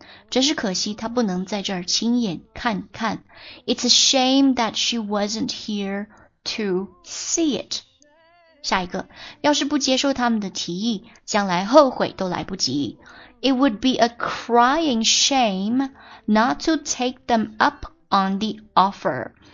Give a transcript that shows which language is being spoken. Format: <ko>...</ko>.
<zh>真是可惜她不能在这儿亲眼看看。</zh> <en>It's a shame that she wasn't here to see it.</en> <zh>下一个，要是不接受他们的提议，将来后悔都来不及。</zh> <en>It would be a crying shame not to take them up on the offer.</en>